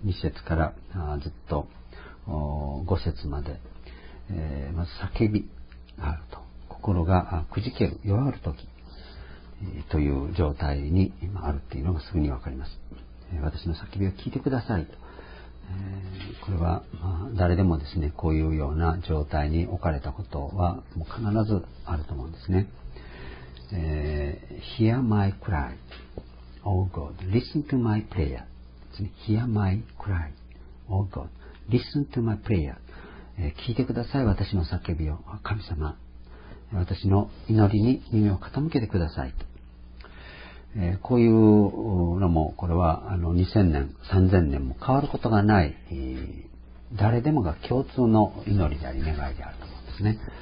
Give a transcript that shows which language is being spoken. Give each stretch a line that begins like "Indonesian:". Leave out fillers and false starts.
Japanese: 2節からずっと5節まで、まず叫びがあると、心がくじける、弱るとき、という状態にあるというのがすぐにわかります。私の叫びを聞いてくださいと。これは、まあ、誰でもですね、こういうような状態に置かれたことはもう必ずあると思うんですね。
English: Hear my cry, O God, listen to my prayer. Hear my cry, O God, listen to my prayer.
Japanese: 聞いてください、私の叫びを。神様、私の祈りに耳を傾けてくださいと。こういうのも、これは2000年、3000年も変わることがない、誰でもが共通の祈りであり、願いであると思うんですね。